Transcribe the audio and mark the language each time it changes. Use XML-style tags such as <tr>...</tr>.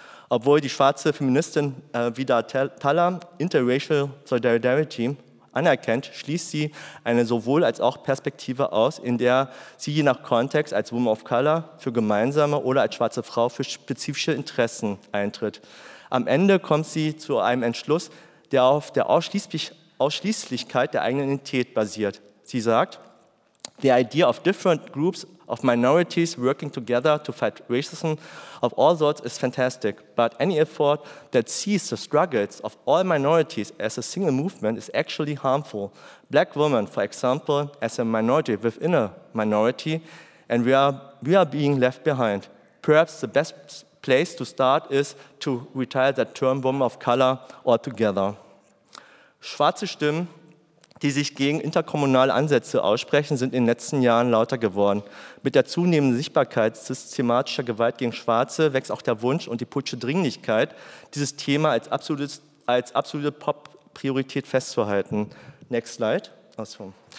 <de>Obwohl die schwarze Feministin Vida Thaler Interracial Solidarity anerkennt, schließt sie eine sowohl als auch Perspektive aus, in der sie je nach Kontext als Woman of Color für gemeinsame oder als schwarze Frau für spezifische Interessen eintritt. Am Ende kommt sie zu einem Entschluss, der auf der Ausschließlichkeit der eigenen Identität basiert. Sie sagt:</de> <en>"The idea of different groups of minorities working together to fight racism of all sorts is fantastic, but any effort that sees the struggles of all minorities as a single movement is actually harmful. Black women, for example, as a minority within a minority, and we are being left behind. Perhaps the best place to start is to retire that term woman of color altogether."</en> <de>Schwarze Stimmen, die sich gegen interkommunale Ansätze aussprechen, sind in den letzten Jahren lauter geworden. Mit der zunehmenden Sichtbarkeit systematischer Gewalt gegen Schwarze wächst auch der Wunsch und die politische Dringlichkeit, dieses Thema als absolute Pop-Priorität festzuhalten.</de> <en>Next slide.</en> <de>Achso.</de>